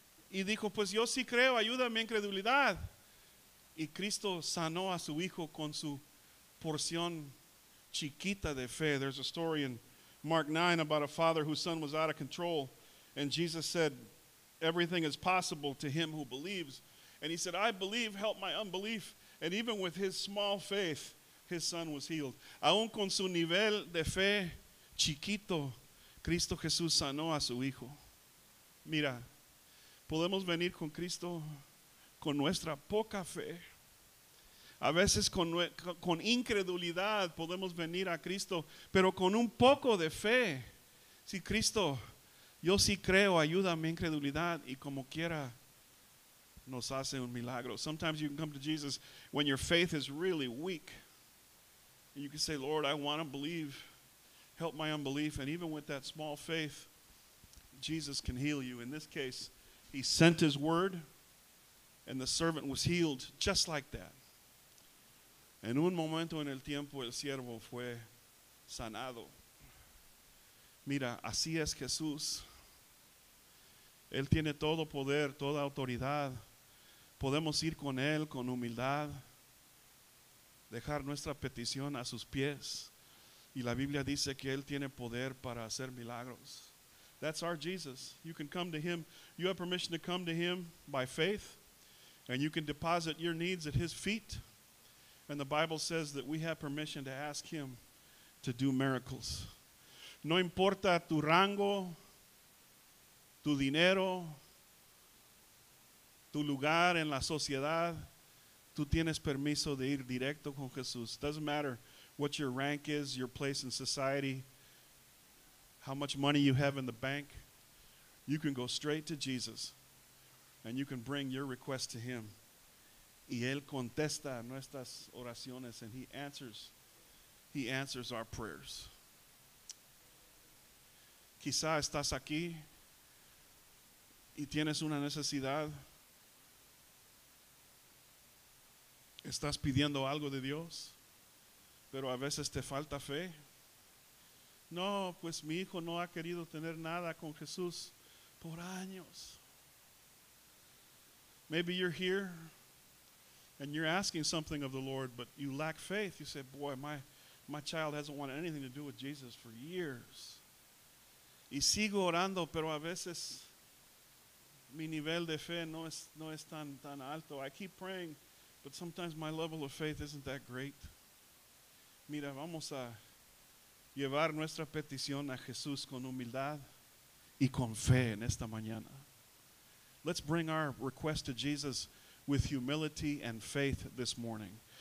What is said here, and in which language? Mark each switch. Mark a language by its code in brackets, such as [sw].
[es] y dijo, pues yo sí creo, ayúdame en credulidad. Y Cristo sanó a su hijo con su porción chiquita de fe. [en] There's a story in Mark 9 about a father whose son was out of control. And Jesus said, everything is possible to him who believes. And he said, I believe, help my unbelief. And even with his small faith, his son was healed. [es] Aún con su nivel de fe chiquito, Cristo Jesús sanó a su hijo. Mira, podemos venir con Cristo con nuestra poca fe. A veces con incredulidad podemos venir a Cristo, pero con un poco de fe. Si Cristo, yo sí creo, ayúdame en incredulidad, y como quiera nos hace un milagro. [en] Sometimes you can come to Jesus when your faith is really weak. And you can say, Lord, I want to believe. Help my unbelief. And even with that small faith, Jesus can heal you. In this case, he sent his word and the servant was healed just like that. [es] En un momento en el tiempo, el siervo fue sanado. Mira, así es Jesús. Él tiene todo poder, toda autoridad. Podemos ir con él con humildad, dejar nuestra petición a sus pies. Y la Biblia dice que él tiene poder para hacer milagros. [en] That's our Jesus. You can come to him. You have permission to come to him by faith. And you can deposit your needs at his feet. And the Bible says that we have permission to ask him to do miracles. [es] No importa tu rango, tu dinero, tu lugar en la sociedad, tú tienes permiso de ir directo con Jesús. [en] Doesn't matter what your rank is, your place in society, how much money you have in the bank, you can go straight to Jesus and you can bring your request to him. [es] Y él contesta nuestras oraciones, [en] and he answers our prayers. [es] Quizá estás aquí y tienes una necesidad. Estás pidiendo algo de Dios, pero a veces te falta fe. No, pues mi hijo no ha querido tener nada con Jesús por años. [en] Maybe you're here and you're asking something of the Lord, but you lack faith. You say, boy, my child hasn't wanted anything to do with Jesus for years. [es] Y sigo orando, pero a veces mi nivel de fe no es tan alto. [en] I keep praying, but sometimes my level of faith isn't that great. [es] Mira, vamos a llevar nuestra petición a Jesús con humildad y con fe en esta mañana. [en] Let's bring our request to Jesus with humility and faith this morning.